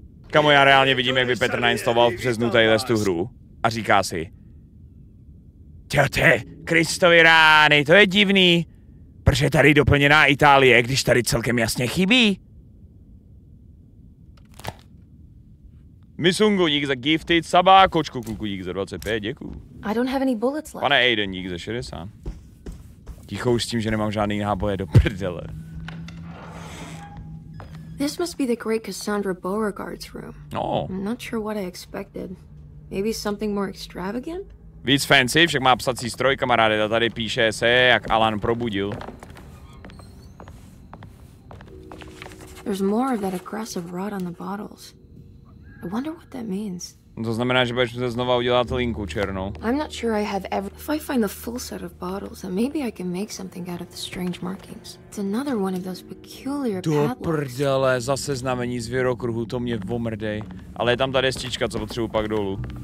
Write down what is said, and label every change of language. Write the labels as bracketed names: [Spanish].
[Czech] Kamo, já reálně vidím, jak by Petr nainstaloval přes tadyhle tu hru a říká si: Tjote, Kristovi rány, to je divný. Proč je tady doplněná Itálie, když tady celkem jasně chybí? Misungu, dík za gifted sabá, kočku kuku, dík za 25, děkuju. [English] I don't have any bullets left. [Czech] Pane Aiden, dík za 60. Ticho už s tím, že nemám žádný náboje do prdele. [English] This must be the great Cassandra Beauregard's room. Oh. I'm not sure what I expected. Maybe something more extravagant? [Czech] Víc fancy, však má psací stroj, kamaráde, a tady píše se, jak Alan probudil. [English] There's more of that aggressive rot on the bottles. I wonder what that means. [Czech] To znamená, že budeš muset znova udělat linku černou. [English] I'm not sure I have ever. If I find the full set of bottles, then maybe I can make something out of the strange markings. It's another one of those peculiar padlocks. [Czech] Do prdele, zase znamení zvěrokruhu, to mě vomrdej. Ale je tam ta destička, co potřebuji pak dolů.